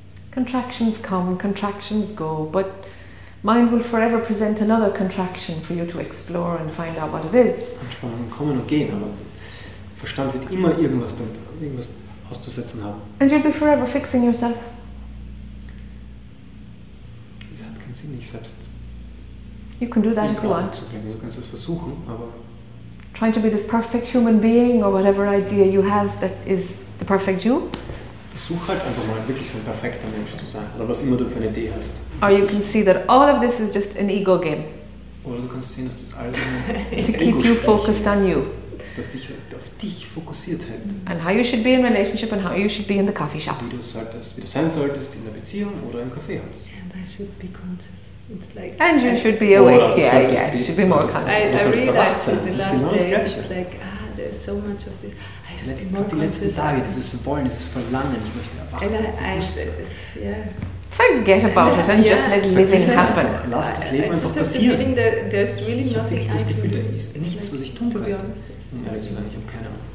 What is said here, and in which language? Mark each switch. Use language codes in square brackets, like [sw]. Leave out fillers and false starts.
[en] Contractions come, contractions go, but mind will forever present another contraction for you to explore and find out what it is. [de] Anspannungen kommen und gehen, aber Verstand wird immer irgendwas auszusetzen haben. [en] And you'll be forever fixing yourself. [de] Das hat keinen Sinn, nicht selbst. [en] You can do that if you want. [de] Du kannst es versuchen, aber [en] trying to be this perfect human being or whatever idea you have that is the perfect you. [de] Versuch halt einfach mal wirklich so ein perfekter Mensch zu sein, oder was immer du für eine Idee hast. [en] Or you can see that all of this is just an ego game. [de] Oder du kannst sehen, dass das alles nur ein [en] to keep you focused on you. [de] Dass dich auf dich fokussiert hält. [en] And how you should be in relationship and how you should be in the coffee shop. [de] Wie du sein solltest in der Beziehung oder im Kaffeehaus. [en] And I should be conscious. It's like, and you should be awake, you should be more conscious. I realized in the last days, it's like, ah, there's so much of this. I should be more conscious. [de] Die letzten Tage, dieses Wollen, dieses Verlangen, ich möchte erwachen, bewusst sein. [en] Forget about it and just let living happen. [de] Lass das Leben einfach passieren. [en] I just have the feeling that there's really nothing I can do. [de] Ich habe das Gefühl, da ist nichts, was ich tun könnte. [en] To be honest, [de] um ehrlich zu sein, ich habe keine Ahnung.